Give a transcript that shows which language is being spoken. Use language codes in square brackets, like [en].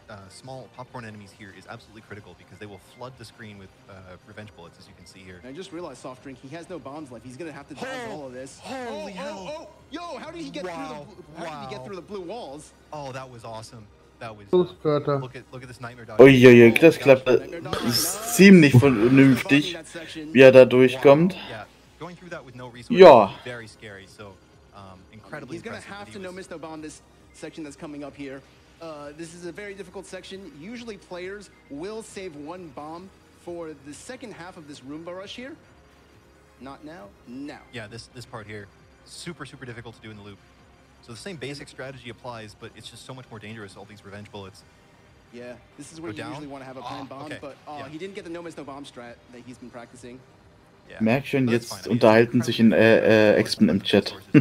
[en] Small popcorn enemies here is absolutely critical because they will flood the screen with revenge bullets, as you can see here. I just realized Soft Drink, he has no bombs left. He's gonna have to dodge all of this. Holy hell! Yo, how did he get through the blue walls? Oh, that was awesome. Look at this nightmare dodge. [de] Uiuiui, das klappt ziemlich vernünftig, wie da durchkommt. [en] Going through that with no resources is very scary, so incredibly impressive. He's gonna have to no miss no bomb this section that's coming up here. This is a very difficult section. Usually players will save one bomb for the second half of this Roomba rush here. Not now. Now. Yeah, this part here, super difficult to do in the loop. So the same basic strategy applies, but it's just so much more dangerous, all these revenge bullets. Yeah, this is where usually want to have a planned bomb, okay. but he didn't get the no miss no bomb strat that he's been practicing. Yeah. [de] Merk schon, jetzt unterhalten sich in Expen im Chat.